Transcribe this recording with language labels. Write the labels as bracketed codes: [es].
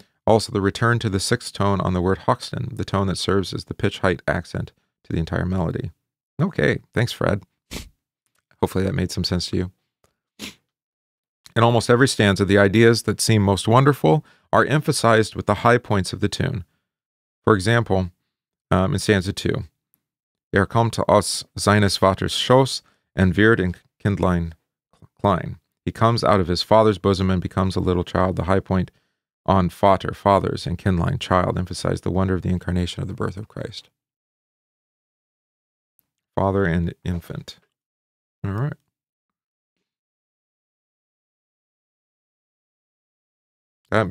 [en] Also, the return to the sixth tone on the word Hoxton, the tone that serves as the pitch height accent to the entire melody. Okay, thanks, Fred. Hopefully that made some sense to you. In almost every stanza, the ideas that seem most wonderful are emphasized with the high points of the tune. For example, in stanza two, [de] Er kommt aus seines Vaters Schoß und wird in Kindlein klein. [en] He comes out of his father's bosom and becomes a little child. The high point on Vater, fathers, and kinlein, child, emphasize the wonder of the incarnation of the birth of Christ. Father and infant. All right.